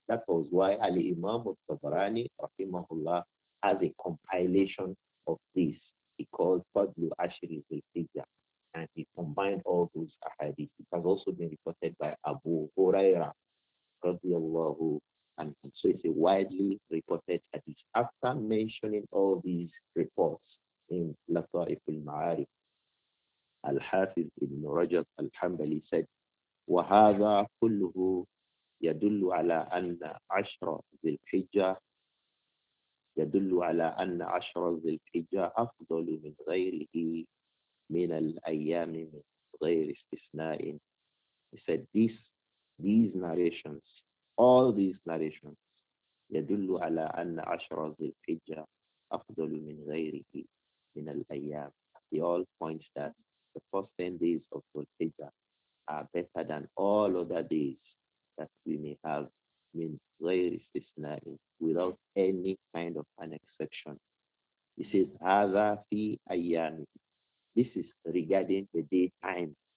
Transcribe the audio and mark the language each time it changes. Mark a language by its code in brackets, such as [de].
[en] That was why Ali Imam of Tabarani rahimahullah has a compilation of this. He called Fadlu Ashri Zulfijah. And he combined all those ahadith. It has also been reported by Abu Huraira, radiallahu and so it's a widely reported hadith. After mentioning all these reports in Lata'if al-Ma'arif, Al-Hafiz ibn Rajab al-Hanbali said, [ar] وَهَذَا كُلُّهُ يَدُلُّ عَلَىٰ أَنَّ عَشْرَ ذِي الْحِجَّةِ يَدُلُّ عَلَىٰ أَنَّ عَشْرَ ذِي الْحِجَّةِ أَفْضَلُ مِنْ غَيْرِهِ مِنَ الْأَيَّامِ مِنْ غَيْرِ اسْتِثْنَائِ. [en] He said, these narrations, [ar] all these narrations, يَدُلُّ عَلَىٰ أَنَّ عَشْرَ ذِي الْحِجَّةِ أَفْضَلُ مِنْ غَيْرِهِ مِنَ الْأَيَّامِ. [en] They all point that the first 10 days of Dhul-Hijjah are better than all other days that we may have, means very specifically, without any kind of an exception. He says, [ar] Hadha fi ayyami. [en] This is regarding the daytime.